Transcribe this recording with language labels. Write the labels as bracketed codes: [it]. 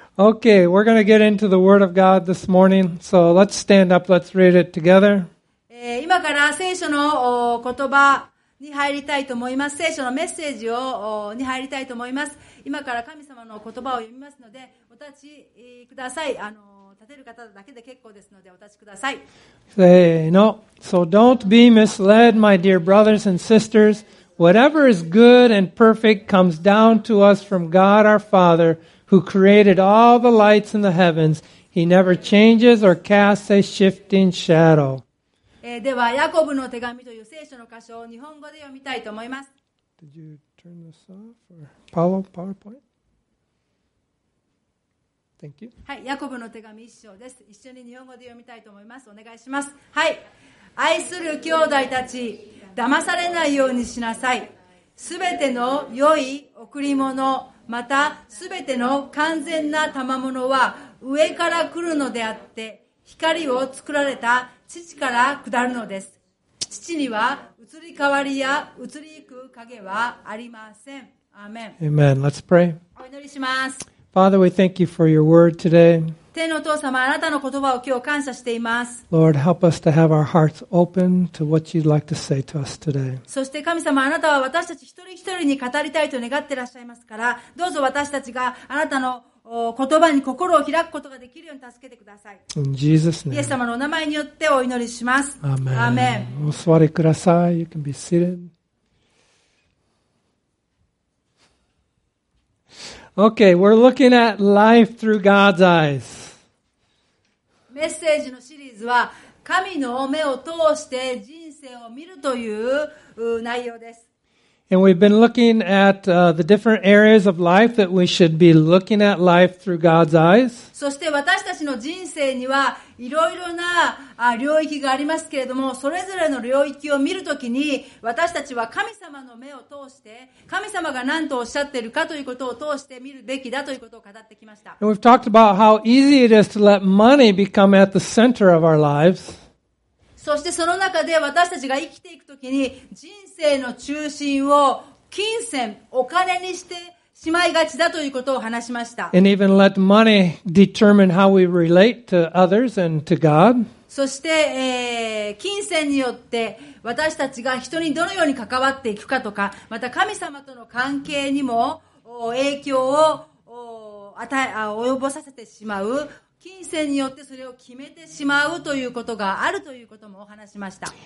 [en] Okay, we're going to get into the Word of God this morning, so let's stand up, let's read it together. [ja] 今から聖書の言葉に入りたいと思います。聖書のメッセージをに入りたいと思います。今から神様の言葉を読みますので、お立ちください。立てる方だけで結構ですので、お立ちください。せーの。 [en] So don't be misled, my dear brothers and sisters. Whatever is good and perfect comes down to us from God our Father. Who created all the lights in the heavens. He never changes or casts a shifting shadow. [ja] では、ヤコブの手紙という聖書の箇所を日本語で読みたいと思います。 [en] Did you turn this off? Or PowerPoint? Thank you. [ja] はい、ヤコブの手紙一章です。一緒に日本語で読みたいと思います。お願いします。はい。愛する兄弟たち、騙されないようにしなさい。すべての良い贈り物、またすべての完全な賜物は上から来るのであって、光を作られた父から下るのです。父には移り変わりや移りゆく影はありません。アーメン。 [en] Amen. Let's pray. [ja] お祈りします。 [en] Father, we thank you for your word today. [ja] 天のお父様、あなたの言葉を今日感謝しています。 [en] Lord, help us to have our hearts open to what you'd like to say to us today. [ja] そして神様、あなたは私たち一人一人に語りたいと願ってらっしゃいますから、どうぞ私たちがあなたの言葉に心を開くことができるように助けてください。 [en] In Jesus' name. [ja] イエス様のお名前によってお祈りします。 [en] Amen. Amen. [ja] お座りください。 [en] You can be seated. Okay, we're looking at life through God's eyes. [ja] メッセージのシリーズは神の目を通して人生を見るという内容です。 [en] And we've been looking at the different areas of life that we should be looking at life through God's eyes. [ja] そして私たちの人生にはいろいろな領域がありますけれども、それぞれの領域を見るときに、私たちは神様の目を通して、神様が何とおっしゃっているかということを通して見るべきだということを語ってきました。 [en] And we've talked about how easy it is to let money become at the center of our lives. [ja] そしてその中で私たちが生きていくときに人生の中心を金銭、お金にしてしまいがちだということを話しました。 [en] And even let money determine how we relate to others and to God. [ja] そして、金銭によって私たちが人にどのように関わっていくかとか、また神様との関係にも影響を及ぼさせてしまう。金銭によってそれを決めてしまうということがあるということもお話しました。